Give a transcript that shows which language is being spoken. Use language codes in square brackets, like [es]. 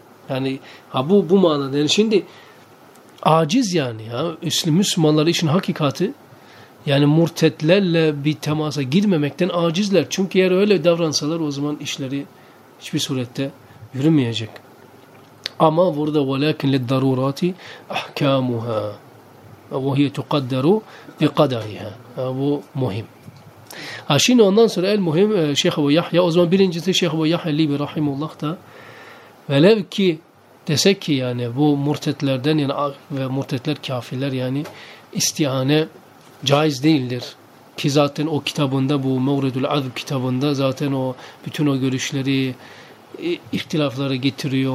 [tr] Yani ha bu manada. Yani şimdi aciz yani ya Müslümanlar işin hakikati. Yani murtetlerle bir temasa girmemekten acizler. Çünkü eğer öyle davransalar o zaman işleri hiçbir surette yürümeyecek. Ama burada [ar] وَلَكِنْ لِلْدَرُورَاتِ اَحْكَامُهَا وَهِيَ تُقَدَّرُ بِقَدَرِهَا. [tr] Bu muhim. Ha şimdi ondan sonra el muhim Şeyh Ebu Yahya. O zaman birincisi Şeyh Ebu Yahya Libi Rahimullah da velev ki desek ki yani bu murtetlerden yani ve murtetler kafirler yani istihane caiz değildir. Ki zaten o kitabında bu Mevredül Azb kitabında zaten o bütün o görüşleri ihtilafları getiriyor.